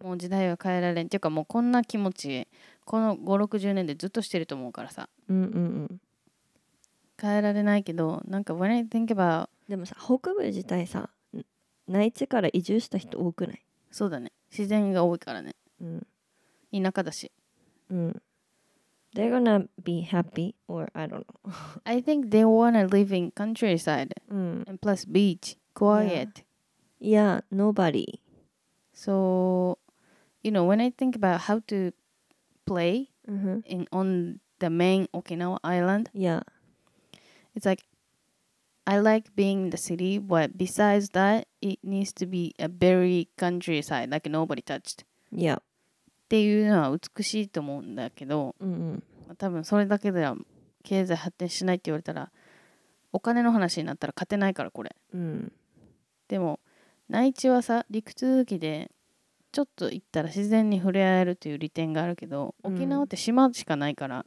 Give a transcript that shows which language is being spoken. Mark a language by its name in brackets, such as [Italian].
[Japanese] もう時代は変えられんっていうか、もうこんな気持ちこの 5,60 年でずっとしてると思うからさ、うんうんうん、変えられないけど、なんか [English] when I think about、 [Japanese] でもさ北部自体さ内地から移住した人多くない？そうだね、自然が多いからね、うん、田舎だし、 [English] うん、They're gonna be happy or I don't know I think they wanna live in countryside、うん、 and plus beach, quiet yeah, nobody So, you know, when I think about how to play、 mm-hmm. in, on the main Okinawa island Yeah It's like, I like being in the city, but besides thatIt needs to be a very countryside, like nobody touched. Yeah. [Japanese] っていうのは美しいと思うんだけど、うんうん、まあ、多分それだけでは経済発展しないって言われたら、お金の話になったら勝てないからこれ。うん、でも内地はさ、陸続きでちょっと行ったら自然に触れ合えるという利点があるけど、沖縄って島しかないから、